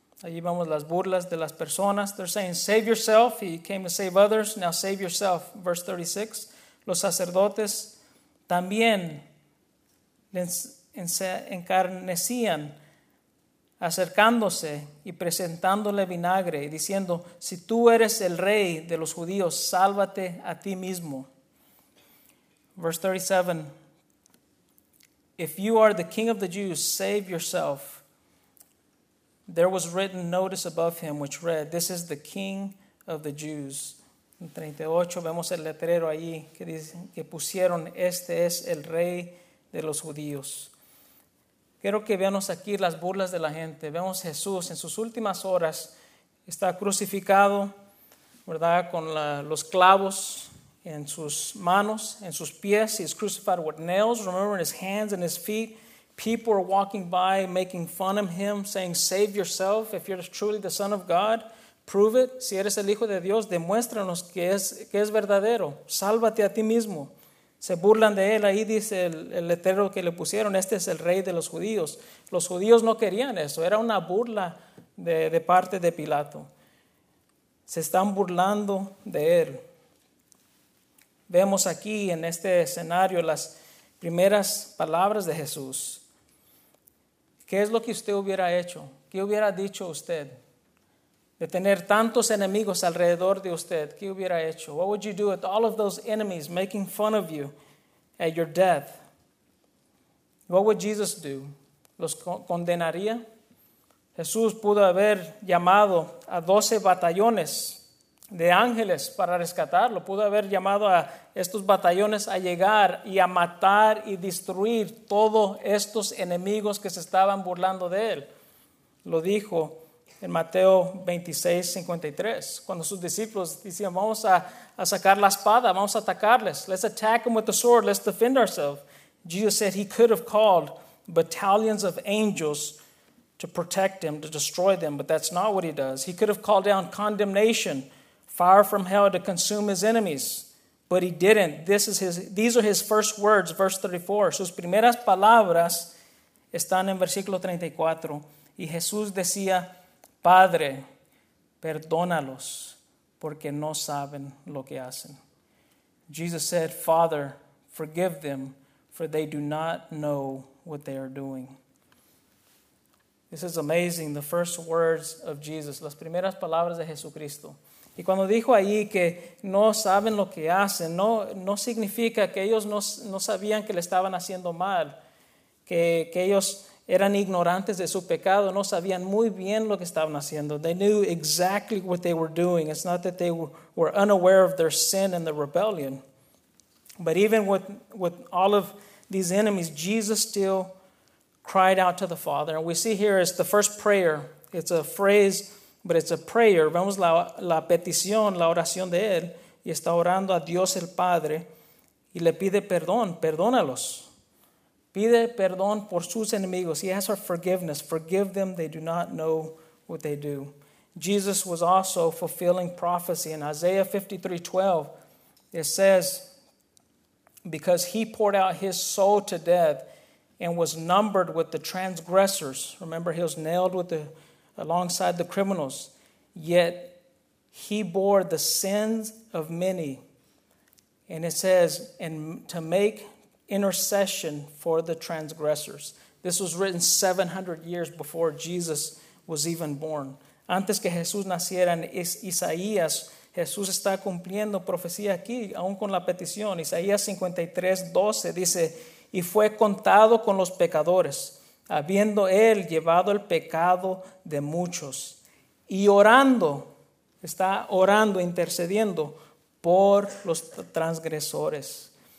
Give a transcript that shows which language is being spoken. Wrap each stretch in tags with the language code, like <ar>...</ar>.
<es>Allí vemos las burlas de las personas.</es> <en>They're saying, save yourself, he came to save others, now save yourself. Verse 36.</en> <es>Los sacerdotes también les encarnecían, acercándose y presentándole vinagre y diciendo, si tú eres el rey de los judíos, sálvate a ti mismo.</es> <en>Verse 37, if you are the king of the Jews, save yourself. There was written notice above him which read, this is the king of the Jews.</en> <es>En 38 vemos el letrero allí que dice que pusieron, este es el rey de los judíos. Quiero que veamos aquí las burlas de la gente. Vemos Jesús en sus últimas horas, está crucificado, ¿verdad? Con los clavos en sus manos, en sus pies.</es> <en>He is crucified with nails. Remember, in his hands and his feet, people are walking by, making fun of him, saying, save yourself if you're truly the Son of God. Prove it,</en> <es>si eres el Hijo de Dios, demuéstranos que es verdadero. Sálvate a ti mismo. Se burlan de él, ahí dice el letrero que le pusieron, este es el rey de los judíos. Los judíos no querían eso, era una burla de parte de Pilato. Se están burlando de él. Vemos aquí en este escenario las primeras palabras de Jesús. ¿Qué es lo que usted hubiera hecho? ¿Qué hubiera dicho usted? De tener tantos enemigos alrededor de usted, ¿qué hubiera hecho?</es> <en>What would you do with all of those enemies making fun of you at your death? What would Jesus do?</en> <es>¿Los condenaría? Jesús pudo haber llamado a 12 batallones de ángeles para rescatarlo. Pudo haber llamado a estos batallones a llegar y a matar y destruir todos estos enemigos que se estaban burlando de él. Lo dijo en Mateo 26:53, cuando sus discípulos decían, vamos a sacar la espada, vamos a atacarles.</es> <en>Let's attack them with the sword, let's defend ourselves. Jesus said he could have called battalions of angels to protect him, to destroy them, but that's not what he does. He could have called down condemnation, fire from hell to consume his enemies, but he didn't. These are his first words, verse 34.</en> <es>Sus primeras palabras están en versículo 34. Y Jesús decía, Padre, perdónalos, porque no saben lo que hacen.</es> <en>Jesus said, Father, forgive them, for they do not know what they are doing. This is amazing, the first words of Jesus,</en> <es>las primeras palabras de Jesucristo. Y cuando dijo ahí que no saben lo que hacen, no significa que ellos no sabían que le estaban haciendo mal, que ellos eran ignorantes de su pecado, no sabían muy bien lo que estaban haciendo.</es> <en>They knew exactly what they were doing. It's not that they were unaware of their sin and the rebellion. But even with all of these enemies, Jesus still cried out to the Father. And we see here it's the first prayer. It's a phrase, but it's a prayer.</en> <es>Vemos la petición, la oración de él. Y está orando a Dios el Padre. Y le pide perdón, perdónalos. Pide perdón por sus enemigos.</es> <en>He asks for forgiveness. Forgive them. They do not know what they do. Jesus was also fulfilling prophecy. In Isaiah 53:12, it says, because he poured out his soul to death and was numbered with the transgressors. Remember, he was nailed alongside the criminals. Yet he bore the sins of many. And it says, and to make intercession for the transgressors. This was written 700 years before Jesus was even born.</en> <es>Antes que Jesús naciera, en Isaías, Jesús está cumpliendo profecía aquí, aún con la petición. Isaías 53:12 dice: y fue contado con los pecadores, habiendo él llevado el pecado de muchos, y orando, está orando, intercediendo por los transgresores.</es>